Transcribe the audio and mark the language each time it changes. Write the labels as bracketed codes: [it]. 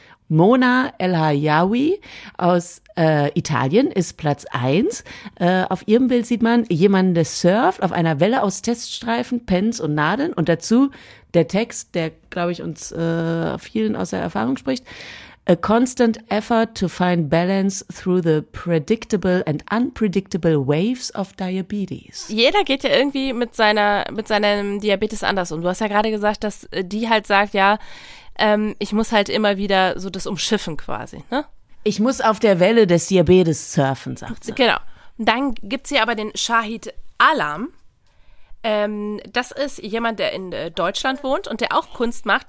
[de] Mona El-Hayawi aus Italien ist Platz 1. Auf ihrem Bild sieht man jemanden, der surft auf einer Welle aus Teststreifen, Pens und Nadeln. Und dazu der Text, der, glaube ich, uns vielen aus der Erfahrung spricht. [en] A constant effort to find balance through the predictable and unpredictable waves of diabetes. [de] Jeder geht ja irgendwie mit seinem Diabetes anders um. Du hast ja gerade gesagt, dass die halt sagt, ja, ich muss halt immer wieder so das umschiffen quasi, ne? Ich muss auf der Welle des Diabetes surfen, sagt sie. Genau. Dann gibt's hier aber den Shahid Alam. Das ist jemand, der in Deutschland wohnt und der auch Kunst macht.